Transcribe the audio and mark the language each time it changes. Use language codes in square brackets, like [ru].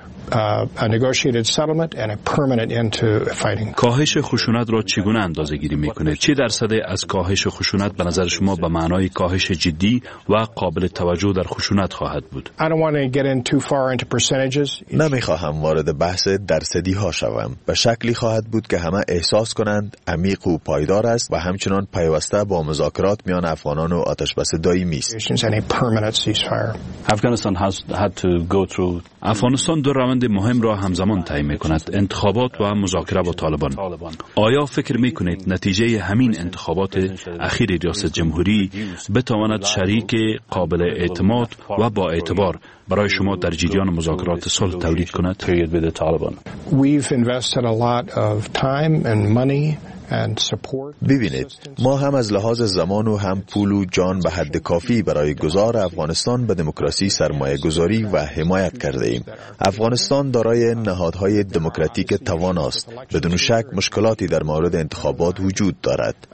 [en] A negotiated settlement and a permanent end to fighting. [fa] کاهش خشونت را چگونه اندازه‌گیری می‌کنید؟ چه درصد از کاهش خشونت به نظر شما به معنای کاهش جدی و قابل توجه در خشونت خواهد بود؟ [en] I don't want to get in too far into percentages. [fa] نمی‌خواهم وارد بحث درصدی‌ها شوم. به شکلی خواهد بود که همه احساس کنند عمیق و پایدار است و همچنان پیوسته با مذاکرات میان افغانان و آتش‌بس دائمی است. [en] Afghanistan has had to go through. [fa] افغانستان دو روند مهم را همزمان تعیین می‌کند: انتخابات و مذاکره با طالبان. آیا فکر می‌کنید نتیجه همین انتخابات اخیر ریاست جمهوری بتواند شریک قابل اعتماد و با اعتبار برای شما در جریان مذاکرات صلح تولید کند؟ [en] We've invested a lot of time and money. [fa] ببینید، ما هم از لحاظ زمان و هم پول و جان به حد کافی برای گذار افغانستان به دموکراسی سرمایه گذاری و حمایت کرده ایم. افغانستان دارای نهادهای دموکراتیک تواناست. بدون شک مشکلاتی در مورد انتخابات وجود دارد.